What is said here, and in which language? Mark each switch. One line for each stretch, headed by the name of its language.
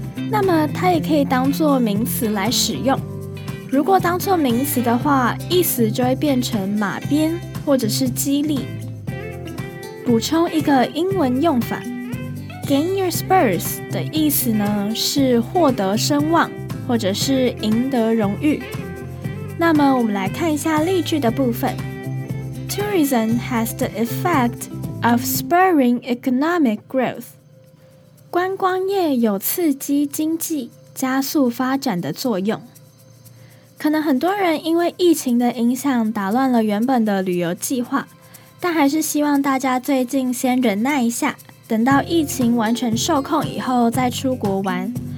Chinese: 那么它也可以当作名词来使用。如果当作名词的话，意思就会变成马鞭或者是激励。补充一个英文用法，
English: gain your spurs
Chinese: 的意思呢是获得声望或者是赢得荣誉。那么我们来看一下例句的部分。
English: Tourism has the effect of spurring economic growth.
Chinese: 观光业有刺激经济加速发展的作用。可能很多人因为疫情的影响打乱了原本的旅游计划，但还是希望大家最近先忍耐一下，等到疫情完全受控以后再出国玩。